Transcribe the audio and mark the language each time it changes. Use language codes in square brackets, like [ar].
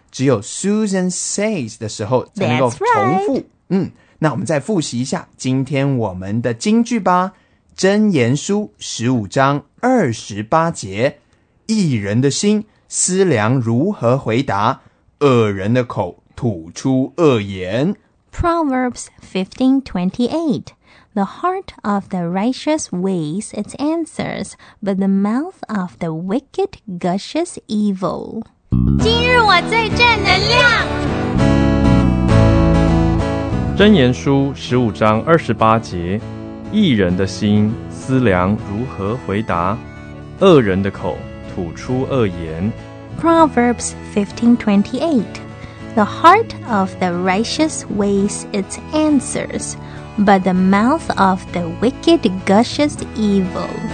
[zh] 只有 Susan says 的时候才能够重复。嗯,那我们再复习一下今天我们的金句吧。箴言书15章28节。一人的心思量如何回答? 恶人的口吐出恶言。 [en] Proverbs 15:28 The heart of the righteous weighs its answers, but the mouth of the wicked gushes evil. [zh] 今日我最正能量。箴言书十五章二十八节：义人的心思量如何回答，恶人的口吐出恶言。 [en] Proverbs 15:28 The heart of the righteous weighs its answers, but the mouth of the wicked gushes evil.